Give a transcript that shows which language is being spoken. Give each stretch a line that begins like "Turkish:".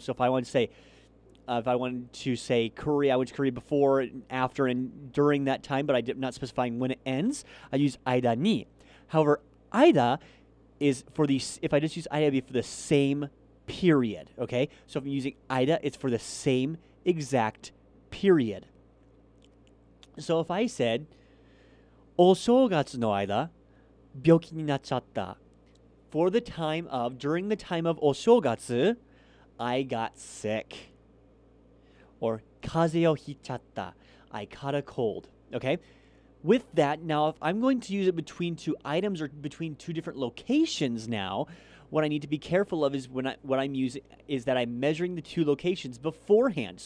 English: So if I wanted to say Korea, I went to Korea before, after, and during that time, but I'm not specifying when it ends, I use Aida ni. However, Aida is for the, if I just use Aida, it'd be for the same period, okay? So if I'm using Aida, it's for the same exact period.
Japanese: So if I said, お正月の間、病気になっちゃった。
English: For the time of, during the time of Oshogatsu, I got sick. Or,
Japanese: kaze o hichatta,
English: I caught a cold. Okay? With that, now if I'm going to use it between two items or between two different locations now, what I need to be careful of is what I'm using is that I'm measuring the two locations beforehand.